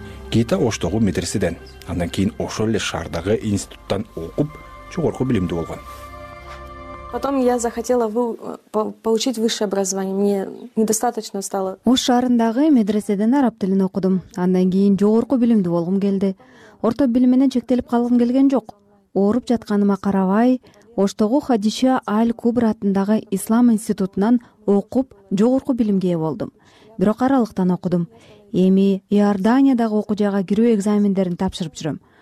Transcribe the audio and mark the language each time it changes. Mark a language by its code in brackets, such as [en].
[ky] Гита Оштогу медреседен, андан кийин ошол эле шаардагы институттан окуп жогорку билимдүү болгон. [ru] Потом я захотела получить высшее образование. Мне недостаточно стало. [ky] Ош шаарындагы медреседен араб тилин окудум. Андан кийин жогорку билимдүү болгум келди. Орто билим менен чектелип калгым келген жок. Ооруп жатканыма карабай, Оштогу Хадиша Аль-Кубра атындагы Ислам институтунан окуп, жогорку билимге ээ болдум. Бирок аралыктан окудум. Эми Иорданиядагы окуу жайга кирүү экзамендерин тапшырып жүрөм.